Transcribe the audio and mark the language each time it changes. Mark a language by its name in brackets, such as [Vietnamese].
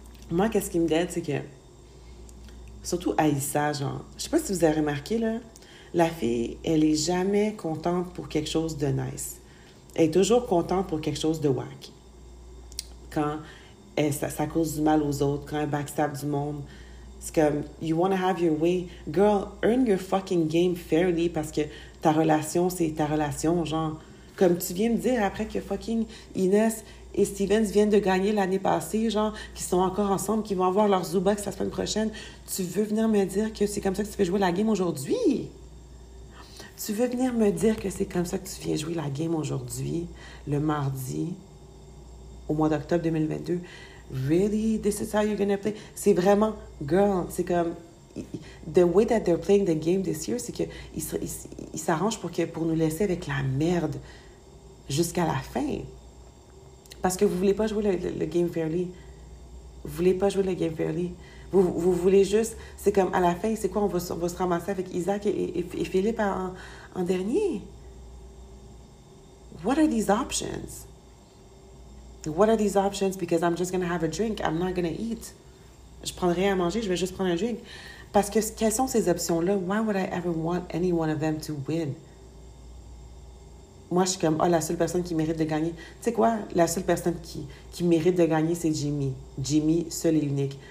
[French] Moi, qu'est-ce qui me dead, c'est que... Surtout Aïssa, genre... Je sais pas si vous avez remarqué, là. La fille, elle est jamais contente pour quelque chose de nice. Elle est toujours contente pour quelque chose de whack. Quand elle, ça cause du mal aux autres, quand elle backstab du monde. [English] C'est comme, you want to have your way. Girl, earn your fucking game fairly [French] parce que ta relation, c'est ta relation. Genre, comme tu viens me dire après que fucking Inès et Stevens viennent de gagner l'année passée, genre, qui sont encore ensemble, qui vont avoir leur Zubox la semaine prochaine. Tu veux venir me dire que c'est comme ça que tu fais jouer la game aujourd'hui? Tu veux venir me dire que c'est comme ça que tu viens jouer la game aujourd'hui, le mardi, au mois d'octobre 2022? [English] Really? This is how you're gonna play? [French] C'est vraiment, girl, c'est comme, [English] the way that they're playing the game this year, [French] c'est qu'ils s'arrangent pour nous laisser avec la merde jusqu'à la fin. Parce que vous voulez pas jouer le game fairly. Vous voulez pas jouer le game fairly. Vous voulez juste, c'est comme à la fin, c'est quoi, on va se ramasser avec Isaac et Philippe en dernier? [English] What are these options? What are these options? Because I'm just going to have a drink, I'm not going to eat. [French] Je prendrai à manger, je vais juste prendre un drink. Parce que quelles sont ces options-là? [English] Why would I ever want any one of them to win? [French] Moi, je suis comme, ah, oh, la seule personne qui mérite de gagner. Tu sais quoi? La seule personne qui mérite de gagner, c'est Jimmy. Jimmy, seul et unique.